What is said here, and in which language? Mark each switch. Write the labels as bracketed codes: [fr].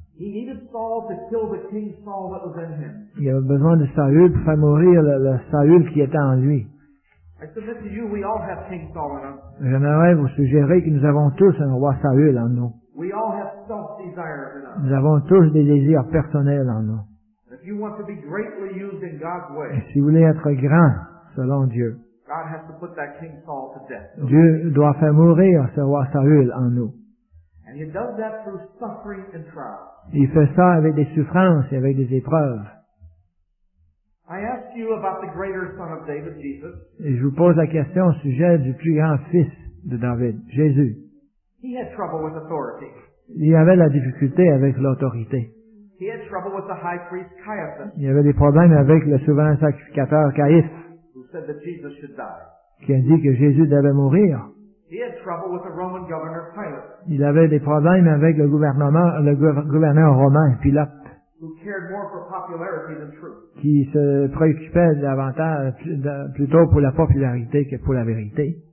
[en] He needed Saul to kill the king Saul that was in him. [fr] Il avait besoin de Saül pour faire mourir le Saül qui était en lui. [en] I submit to you, we all have King Saul in us. [fr] J'aimerais vous suggérer que nous avons tous un roi Saül en nous. [en] We all have self-desire in us. [fr] Nous avons tous des désirs personnels en nous. [en] If you want to be greatly used in God's way, [fr] et si vous voulez être grand selon Dieu, [en] God has to put that King Saul to death. [fr] Dieu doit faire mourir ce roi Saül en nous. [en] And he does that through suffering and trials. [fr] Il fait ça avec des souffrances et avec des épreuves. [en] I ask you about the greater son of David, Jesus. [fr] Et je vous pose la question au sujet du plus grand fils de David, Jésus. [en] He had trouble with authority. [fr] Il avait la difficulté avec l'autorité. [en] He had trouble with the high priest Caiaphas. [fr] Il avait des problèmes avec le souverain sacrificateur Caïphe, [en] who said that Jesus should die. [fr] Qui a dit que Jésus devait mourir. [en] He had trouble with the Roman governor Pilate. [fr] Il avait des problèmes avec le gouverneur romain Pilate, [en] who cared more for popularity than truth. [fr] Qui se préoccupait davantage plutôt pour la popularité que pour la vérité.